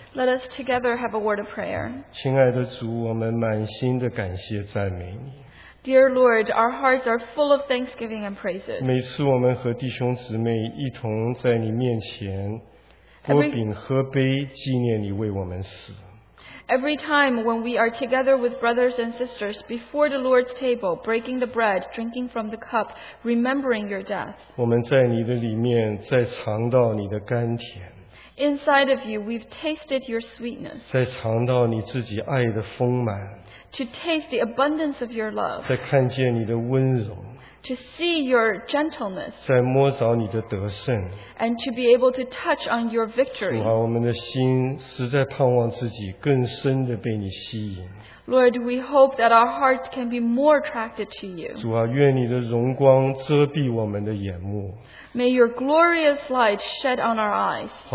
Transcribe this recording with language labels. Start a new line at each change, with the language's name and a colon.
English: Let us together have a word of prayer.
Chinese: 亲爱的主，我们满心的感谢赞美你。
English: Dear Lord, our hearts are full of thanksgiving and praises.
Chinese: 每次我们和弟兄姊妹一同在你面前，喝饼喝杯，纪念你为我们死。
English: Every time when we are together with brothers and sisters before the Lord's table, breaking the bread, drinking from the cup, remembering your death.
Chinese: 我们在你的里面再尝到你的甘甜。
English: Inside of you, we've tasted your sweetness.
Chinese: 再尝到你自己爱的丰满。
English: To taste the abundance of your love.
Chinese: 再看见你的温柔。
English: To see your gentleness.
Chinese: 再摸着你的得胜。
English: And to be able to touch on your victory.
Chinese: 主啊, 我们的心实在盼望自己更深地被你吸引。
English: Lord, we hope that our hearts can be more attracted to you.
Chinese: 主啊, 愿你的荣光遮蔽我们的眼目。
English: May your glorious light shed on our eyes.